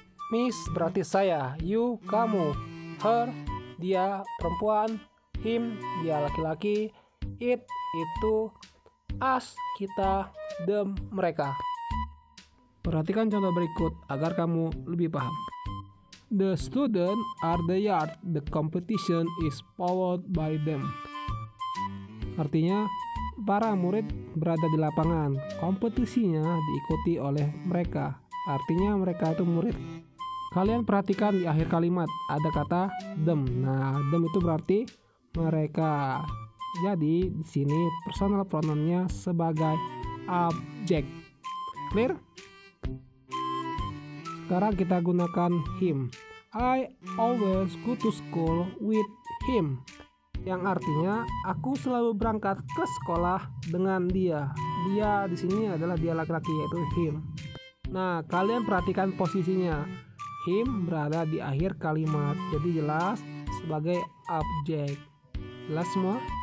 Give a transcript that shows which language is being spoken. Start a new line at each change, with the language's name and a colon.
Indonesian: Miss berarti saya, you, kamu, her, dia, perempuan, him, dia, laki-laki, it, itu, us, kita, them, mereka. Perhatikan contoh berikut agar kamu lebih paham.
English: The student are the yard, the competition is powered by them.
Indonesian: Artinya, para murid berada di lapangan, kompetisinya diikuti oleh mereka. Artinya, mereka itu murid. Kalian perhatikan di akhir kalimat, ada kata them. Nah, them itu berarti mereka. Jadi, di sini personal pronoun-nya sebagai objek.
English: Clear?
Indonesian: Sekarang kita gunakan him.
English: I always go to school with him.
Indonesian: Yang artinya aku selalu berangkat ke sekolah dengan dia. Dia di sini adalah dia laki-laki, yaitu him. Nah, kalian perhatikan posisinya. Him berada di akhir kalimat, jadi jelas sebagai objek. Jelas semua?